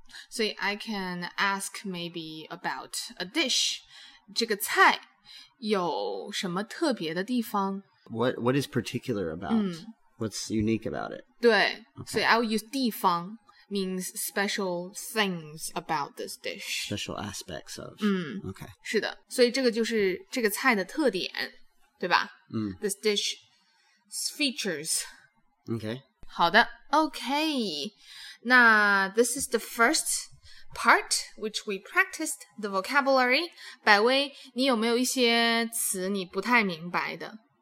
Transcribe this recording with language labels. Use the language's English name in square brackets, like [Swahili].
[English] 所以 I can ask maybe about a dish. [Chinese] 这个菜有什么特别的地方？ [English] What is particular about? What's unique about it? 对。所以 I'll use 地方。Means special things about this dish. Special aspects of. Okay. [Chinese] 是的，所以这个就是这个菜的特点，对吧？ [English] This dish features. Okay. [Chinese] 好的 ，Okay. [English] 那 this is the first part which we practiced the vocabulary. [Chinese] 百威，你有没有一些词你不太明白的？